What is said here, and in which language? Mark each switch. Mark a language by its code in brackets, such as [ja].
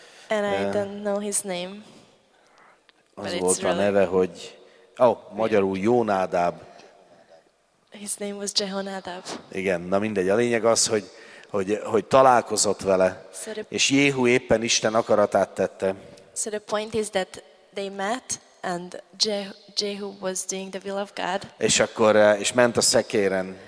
[en] And I don't know his name. [hu] Az volt a neve, hogy magyarul Jónádáb. [en] His name was Jehonadab. [hu] Igen, na mindegy, a lényeg az, hogy találkozott vele, és Jéhu éppen Isten akaratát tette. [en] So the point is that they met and Jehu was doing the will of God. [hu] És akkor és ment a szekéren.